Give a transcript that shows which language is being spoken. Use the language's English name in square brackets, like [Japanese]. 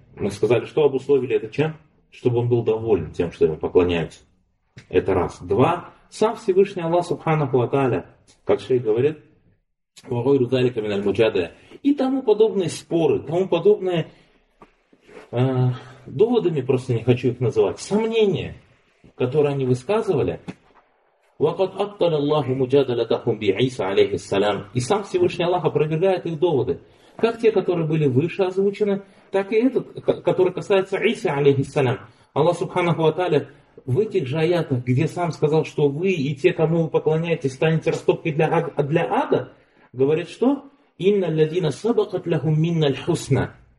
[Russian] Мы сказали, что обусловили это чем? Чтобы он был доволен тем, что ему поклоняются. Это раз. Два. Сам Всевышний Аллах Субханаху ва Тааля, как шейх говорит, [Arabic] «Вагойру далика миналь муджадая». [Russian] И тому подобные споры, тому подобные доводами, просто не хочу их называть, сомнения. которые они высказывали, [Arabic] وَقَدْ أَطَّلَ اللَّهُ مُجَادَلَتَهُمْ بِعِيسَ عَلَيْهِ السَّلَامِ. [Russian] И сам Всевышний Аллах опровергает их доводы. Как те, которые были выше озвучены, так и этот, который касается Иса, алейхиссалям. Аллах Субханаху ва Тааля в этих же аятах, где сам сказал, что вы и те, кому вы поклоняетесь, станете растопкой для ада, говорит, что [Arabic] «Инна ладина сабакат лахум минна льхусна».